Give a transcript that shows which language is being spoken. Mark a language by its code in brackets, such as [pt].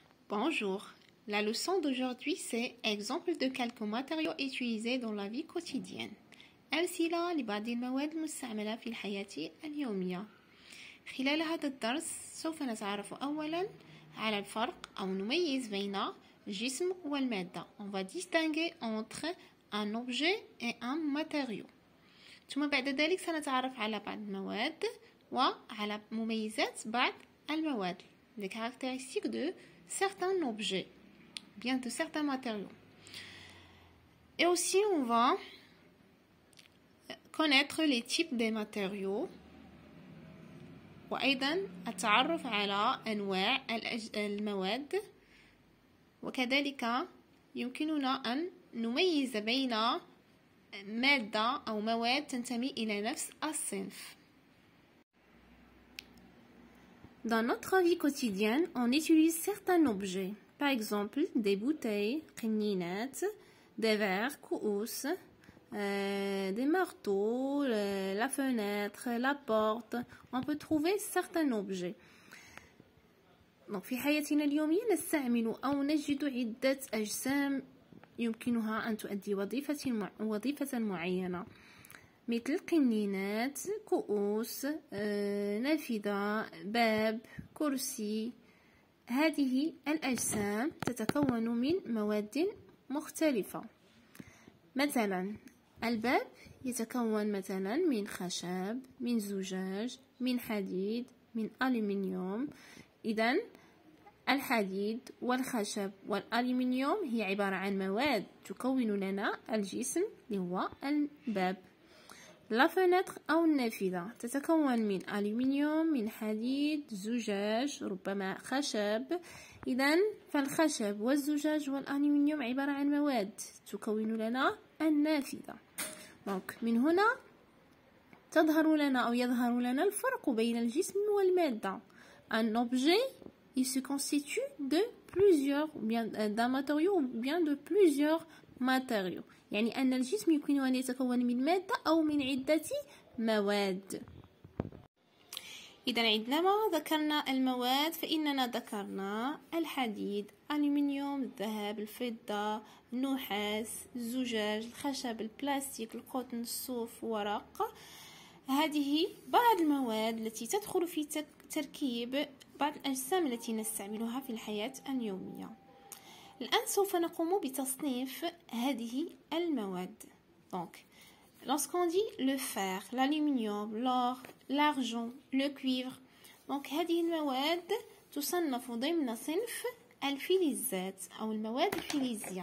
[fr] Bonjour, la leçon d'aujourd'hui c'est exemple de quelques matériaux utilisés dans la vie quotidienne. [ar] أمثلة لبعض المواد المستعملة في الحياة اليومية. خلال هذا الدرس سوف نتعرف أولا على الفرق أو نميز بين الجسم والمادة. [fr] On va distinguer entre un objet et un matériau. [ar] ثم بعد ذلك سنتعرف على بعض المواد وعلى مميزات بعض المواد. [fr] Les caractéristiques de certains objets, bien de certains matériaux. Et aussi, on va connaître les types des matériaux. [ar] وأيضا التعرف على أنواع المواد. وكذلك يمكننا أن نميز بين مادة أو مواد تنتمي إلى نفس الصنف. [fr] Dans notre vie quotidienne, on utilise certains objets. Par exemple, des bouteilles, qininettes, des verres, couus, des marteaux, la fenêtre, la porte. On peut trouver certains objets. [ar] Donc, في حياتنا اليومية نستعمل أو نجد عدة أجسام يمكنها أن تؤدي وظيفة معينة. مثل قنينات، كؤوس، نافذة، باب، كرسي. هذه الأجسام تتكون من مواد مختلفة. مثلا الباب يتكون مثلا من خشب، من زجاج، من حديد، من ألومنيوم. إذن الحديد والخشب والألومنيوم هي عبارة عن مواد تكون لنا الجسم اللي هو الباب. La fenêtre أو النافذة تتكون من ألومنيوم، من حديد، زجاج، ربما خشب. إذن فالخشب والزجاج والألومنيوم عبارة عن مواد تكون لنا النافذة. دونك من هنا تظهر لنا أو يظهر لنا الفرق بين الجسم والمادة. [fr] Un objet il se constitue de plusieurs bien d'un matériau ou bien de plusieurs matériaux. [ar] يعني أن الجسم يمكن أن يتكون من مادة أو من عدة مواد. إذا عندما ذكرنا المواد فإننا ذكرنا الحديد، ألومنيوم، الذهب، الفضة، النحاس، الزجاج، الخشب، البلاستيك، القطن، الصوف، ورق. هذه بعض المواد التي تدخل في تركيب بعض الأجسام التي نستعملها في الحياة اليومية. الآن سوف نقوم بتصنيف هذه المواد. [fr] Donc, lorsqu'on dit le fer, l'aluminium, l'or, l'argent, le cuivre, donc [ar] هذه المواد تصنف ضمن صنف الفلزات أو المواد الفلزية.